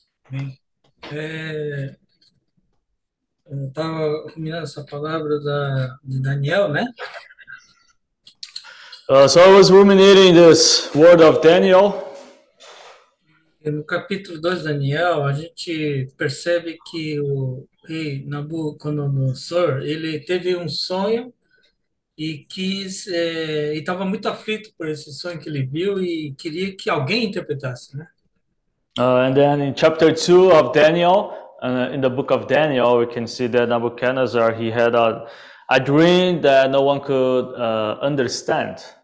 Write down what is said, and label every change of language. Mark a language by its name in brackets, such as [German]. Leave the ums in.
[Portuguese] Bem, é, eu estava combinando essa palavra da, de Daniel, né? [English] Uh, so I was ruminating this word of Daniel. [Portuguese] No capítulo 2 de Daniel, a gente percebe que o rei Nabucodonosor, ele teve um sonho e quis estava eh, muito aflito por esse sonho que ele viu e queria que alguém interpretasse, né? [English] Uh, and in chapter 2 of Daniel, uh, in the book of Daniel, we can see that Nebuchadnezzar he had a, a dream that no one could uh, understand.